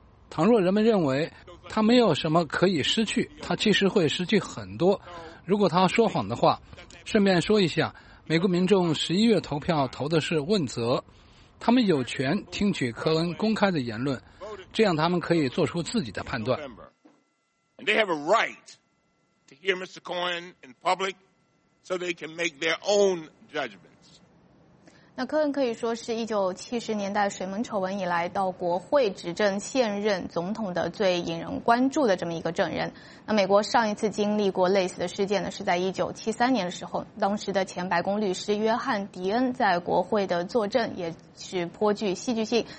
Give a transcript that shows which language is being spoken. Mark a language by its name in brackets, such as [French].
[Chinese] 倘若人们认为他没有什么可以失去，他其实会失去很多。如果他说谎的话，顺便说一下，美国民众11月投票投的是问责，他们有权听取科恩公开的言论，这样他们可以做出自己的判断。 [English] And they have a right to hear Mr. Cohen in public so they can make their own judgment. [Chinese] 那科恩可以说是1970年代水门丑闻以来到国会执政现任总统的最引人关注的这么一个证人。那美国上一次经历过类似的事件呢，是在1973年的时候，当时的前白宫律师约翰·迪恩在国会的作证也是颇具戏剧性。